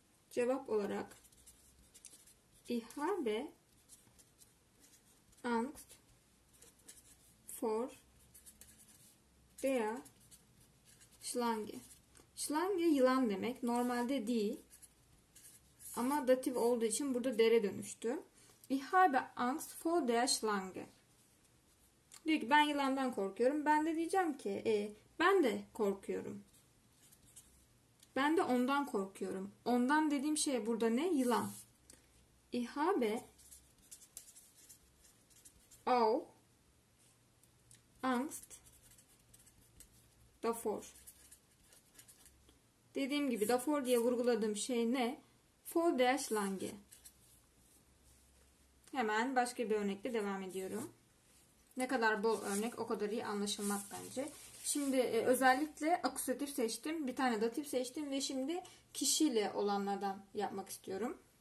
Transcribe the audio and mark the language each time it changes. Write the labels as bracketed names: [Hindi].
[Turkish] Cevap olarak [German] Ich habe Angst vor der Schlange. [Turkish] Schlange yılan demek. Normalde değil. Ama datif olduğu için burada dere dönüştü. [German] Ich habe Angst vor der Schlange. [Turkish] Diyor ki ben yılandan korkuyorum. Ben de diyeceğim ki ben de korkuyorum. Ben de ondan korkuyorum. Ondan dediğim şey burada ne? Yılan. [German] Ich habe auch Angst davor. [Turkish] Dediğim gibi davor diye vurguladığım şey ne? [German] Vor der Schlange. [Turkish] Hemen başka bir örnekle devam ediyorum. Ne kadar bol örnek o kadar iyi anlaşılmak bence. Şimdi özellikle akusatif seçtim. Bir tane datif seçtim ve şimdi kişiyle olanlardan yapmak istiyorum.